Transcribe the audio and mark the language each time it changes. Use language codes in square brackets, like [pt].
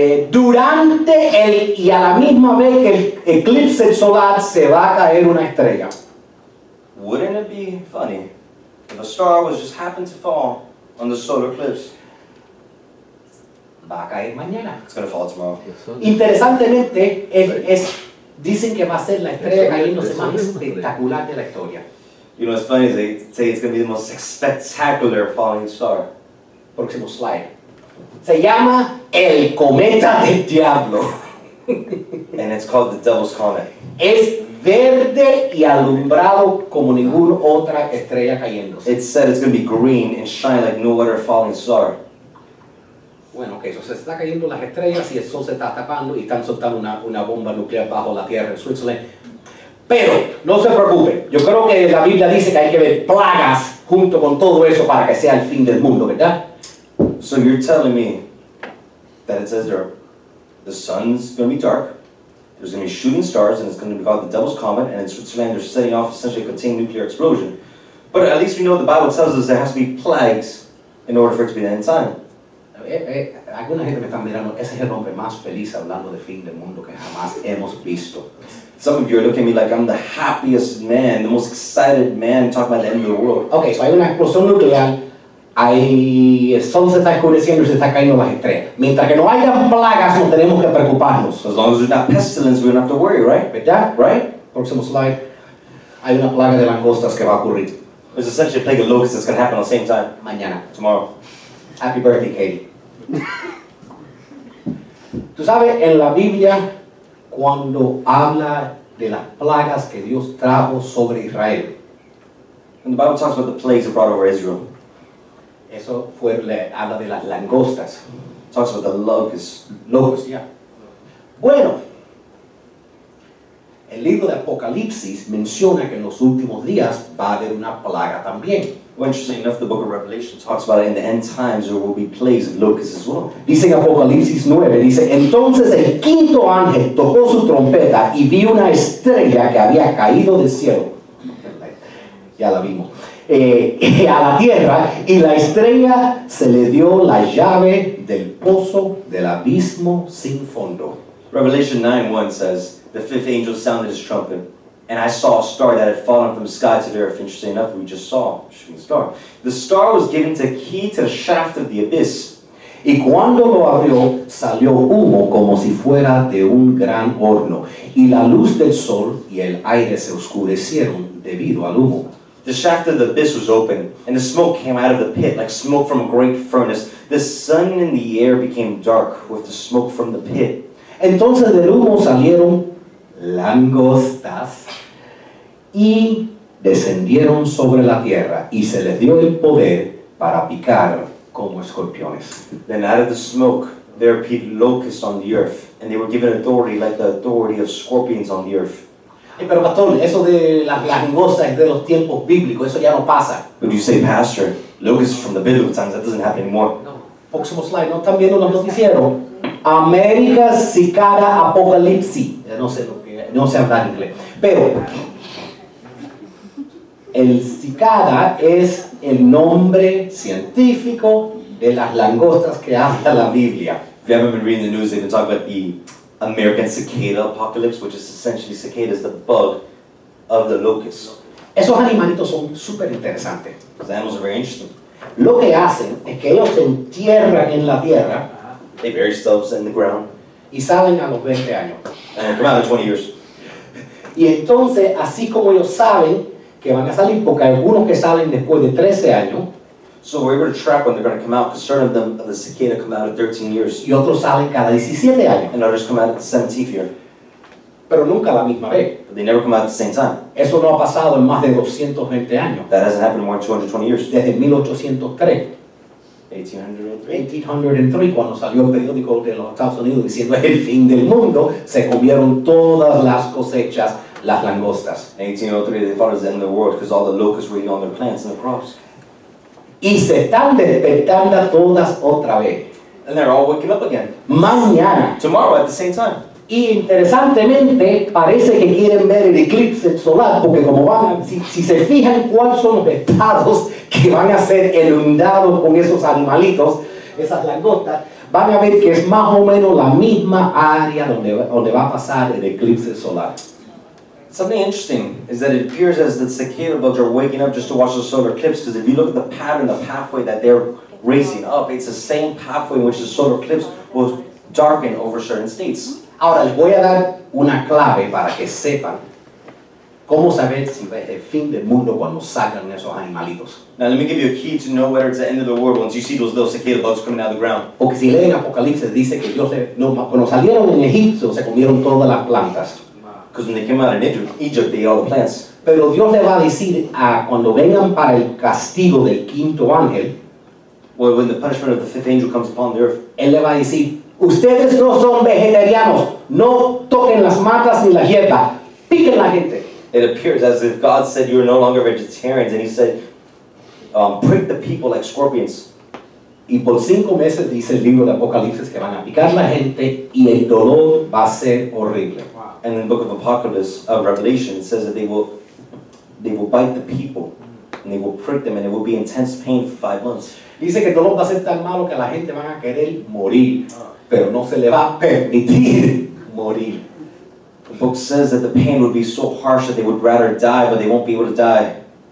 [es] Durante el y a la misma vez que el eclipse solar se va a caer una estrella. [en] Wouldn't it be funny if a star was just happened to fall on the solar eclipse? [es] Va a caer mañana. [en] It's going to fall tomorrow. [es] Interesantemente, dicen que va a ser la estrella cayéndose más espectacular de la historia. [en] You know, it's funny, they say it's going to be the most spectacular falling star. [es] Próximo slide. Se llama el cometa del diablo. [en] And it's called the devil's comet. [es] Es verde y alumbrado como ninguna otra estrella cayendo. [en] It said it's going to be green and shine like no other falling star. [es] Bueno, okay, so se está cayendo las estrellas y el sol se está tapando y están soltando una bomba nuclear bajo la tierra en Switzerland. Pero, no se preocupe, yo creo que la Biblia dice que hay que ver plagas junto con todo eso para que sea el fin del mundo, ¿verdad? [en] So you're telling me that it says there, the sun's going to be dark, there's going to be shooting stars, and it's going to be called the Devil's Comet, and in Switzerland they're setting off essentially a contained nuclear explosion. But at least we know the Bible tells us there has to be plagues in order for it to be the end time. [es] Alguna gente me está mirando, ese es el hombre más feliz hablando de fin del mundo que jamás hemos visto. [en] Some of you are looking at me like I'm the happiest man, the most excited man talking about the end of the world. [es] Okay, so hay una explosión nuclear, el sol se está oscureciendo y se están cayendo las estrellas. Mientras que no haya plagas, no tenemos que preocuparnos. [en] As long as there's not pestilence, we don't have to worry, right? [es] ¿Verdad? [en] Right? [es] Próximo slide. Hay una plaga de langostas que va a ocurrir. [en] There's essentially a plague of locusts that's going to happen at the same time. [es] Mañana. [en] Tomorrow. Happy birthday, Katie. [es] Tú sabes, en la Biblia, cuando habla de las plagas que Dios trajo sobre Israel. [en] And the Bible talks about the plagues that brought over Israel. [es] Eso fue, habla de las langostas. [en] Talks about the locusts. Locusts, yeah. [es] Bueno, el libro de Apocalipsis menciona que en los últimos días va a haber una plaga también. [en] Well, interesting enough, the book of Revelation talks about in the end times there will be plagues of locusts as well. [es] Dice en Apocalipsis 9, dice, entonces el quinto ángel tocó su trompeta y vi una estrella que había caído del cielo. Ya la vimos. A la tierra, y la estrella se le dio la llave del pozo del abismo sin fondo. [en] Revelation 9:1 says, the fifth angel sounded his trumpet, and I saw a star that had fallen from the sky to the earth. Interesting enough, we just saw a shooting star. The star was given to key to the shaft of the abyss. [es] Y cuando lo abrió, salió humo como si fuera de un gran horno, y la luz del sol y el aire se oscurecieron debido al humo. [en] The shaft of the abyss was open, and the smoke came out of the pit like smoke from a great furnace. The sun in the air became dark with the smoke from the pit. [es] Entonces del humo salieron langostas y descendieron sobre la tierra, y se les dio el poder para picar como escorpiones. [en] Then out of the smoke there appeared locusts on the earth, and they were given authority like the authority of scorpions on the earth. [es] Pero pastor, eso de las langostas es de los tiempos bíblicos, eso ya no pasa. [en] But you say, pastor, locusts from the biblical times, that doesn't happen anymore. [es] No. Próximo slide, ¿no están viendo los noticieros? América cicada apocalipsis. No sé lo que, no sé hablar inglés. Pero, el cicada es el nombre científico de las langostas que habla la Biblia. [en] If you haven't been reading the news, they've been talking about the American cicada apocalypse, which is essentially cicadas, the bug of the locust. [es] Esos animalitos son súper interesantes. [en] Those animals are very interesting. [es] Lo que hacen es que ellos se entierran en la tierra. [en] They bury themselves in the ground. [es] Y salen a los 20 años. [en] And come out in 20 years. [es] Y entonces, así como ellos saben que van a salir, porque algunos que salen después de 13 años. [en] So we're able to track when they're going to come out, because certain of them, of the cicada, come out at 13 years. [es] Y otros salen cada 17 años. [en] And others come out at the 17th year. [es] Pero nunca a la misma vez. [en] But they never come out at the same time. [es] Eso no ha pasado en más de 220 años. [en] That hasn't happened in more than 220 years. [es] Desde 1803. 1803, cuando salió el periódico de los Estados Unidos diciendo el fin del mundo, se comieron todas las cosechas, las langostas. [en] 1803, they thought it was the end of the world because all the locusts were eating on their plants and the crops. [es] Y se están despertando todas otra vez. [en] And they're all waking up again. [es] Mañana. [en] Tomorrow at the same time. [es] Y interesantemente, parece que quieren ver el eclipse solar, porque como van, si se fijan cuáles son los estados que van a ser inundados con esos animalitos, esas langostas, van a ver que es más o menos la misma área donde va a pasar el eclipse solar. [en] Something interesting is that it appears as the cicada bugs are waking up just to watch the solar eclipse, because if you look at the pattern, the pathway that they're racing up, it's the same pathway in which the solar eclipse will darken over certain states. [es] Ahora les voy a dar una clave para que sepan cómo saber si es el fin del mundo cuando salgan esos animalitos. [en] Now let me give you a key to know whether it's the end of the world once you see those little cicada bugs coming out of the ground. [es] Porque si leen Apocalipsis dice que Dios no, cuando salieron en Egipto se comieron todas las plantas. [en] Because when they came out in Egypt, they ate all the plants. [es] Pero Dios le va a decir a cuando vengan para el castigo del quinto ángel. [en] Well, when the punishment of the fifth angel comes upon the earth, [es] él le va a decir: ustedes no son vegetarianos. No toquen las matas ni la hierba. Piquen la gente. [en] It appears as if God said you are no longer vegetarians, and He said, prick the people like scorpions. [es] Y por cinco meses dice el libro de Apocalipsis que van a picar la gente y el dolor va a ser horrible. [en] Wow. And in the book of Apocalypse of Revelation, it says that they will bite the people and they will prick them and it will be intense pain for 5 months. [es] Dice que el dolor va a ser tan malo que la gente va a querer morir. Pero no se le va a permitir morir. [en] The book says that the pain would be so harsh that they would rather die, but they won't be able to die.